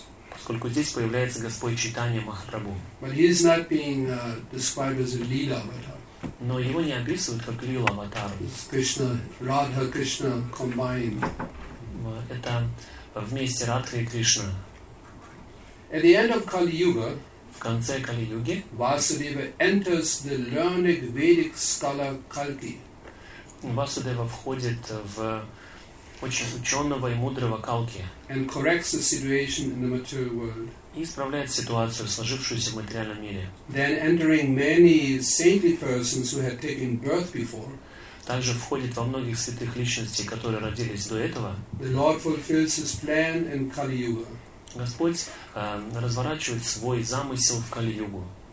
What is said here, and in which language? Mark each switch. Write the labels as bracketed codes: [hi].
[ru] Поскольку здесь появляется Господь Чайтанья Махапрабху. [en] But he is not being described as a Lila avatar. [ru] Но его не описывают как Лила аватар. [en] Krishna, Radha, Krishna combined. [ru] Это вместе Радха и Кришна. [en] At the end of Kali Yuga, [ru] в конце Кали Юги, [en] Vasudeva enters the learned Vedic scholar Kalki. [ru] Vasudeva входит в очень ученого и мудрого Калки. [en] And corrects the situation in the material world. [ru] И исправляет ситуацию, сложившуюся в материальном мире. [en] Then entering many saintly persons who had taken birth before. [ru] Также входит во многих святых личностей, которые родились до этого. [en] The Lord fulfills his plan in Kali Yuga. [ru] Господь разворачивает свой замысел в Кали-югу.